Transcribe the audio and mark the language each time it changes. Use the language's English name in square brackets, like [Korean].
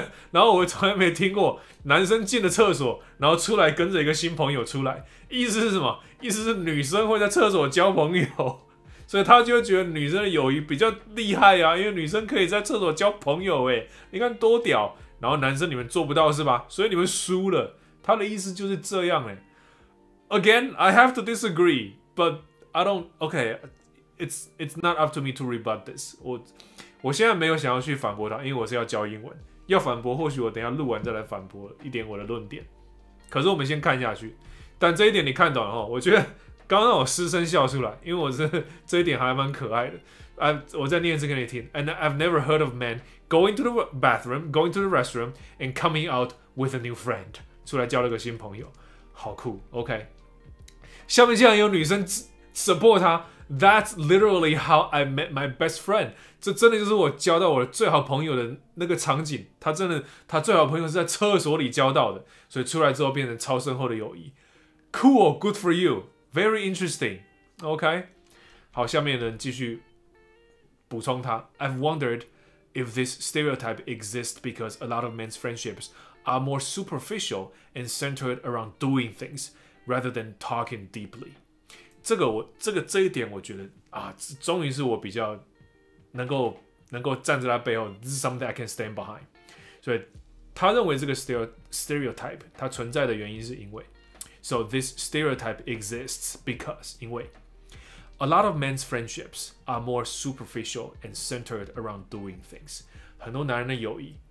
[Chinese] 然后我从来没听过男生进了厕所，然后出来跟着一个新朋友出来。意思是什么？意思是女生会在厕所交朋友，所以他就会觉得女生的友谊比较厉害啊，因为女生可以在厕所交朋友、欸，你看多屌。然后男生你们做不到是吧？所以你们输了。他的意思就是这样、欸。 [English] Again, I have to disagree, but I don't. Okay, it's not up to me to rebut this. [Chinese] 我现在没有想要去反驳他，因为我是要教英文。要反驳，或许我等一下录完再来反驳一点我的论点。可是我们先看下去。但这一点你看懂了哈？我觉得刚刚让我失声笑出来，因为我是这一点还蛮可爱的。我再念一次给你听。 [English] And I've never heard of men going to the bathroom, going to the restroom, and coming out with a new friend. [Chinese] 出来交了个新朋友。好酷 ，OK。下面竟然有女生 support 他 ， [English] That's literally how I met my best friend。 [Chinese] 这真的就是我交到我的最好朋友的那个场景。他真的，他最好朋友是在厕所里交到的，所以出来之后变成超深厚的友谊。 [English] Cool, good for you, very interesting。 [Chinese] OK， 好，下面的人继续补充他。 [English] I've wondered if this stereotype exists because a lot of men's friendships。 Are more superficial and centered around doing things rather than talking deeply。 [Chinese] 这一点，我觉得啊，终于是我比较能够站在他背后。 [English] This is something I can stand behind。 [Chinese] 所以他认为这个 [English] stereotype [Chinese] 它存在的原因是因为 [English] ，so this stereotype exists because 因为 a lot of men's friendships are more superficial and centered around doing things。 [Chinese] 很多男人的友谊。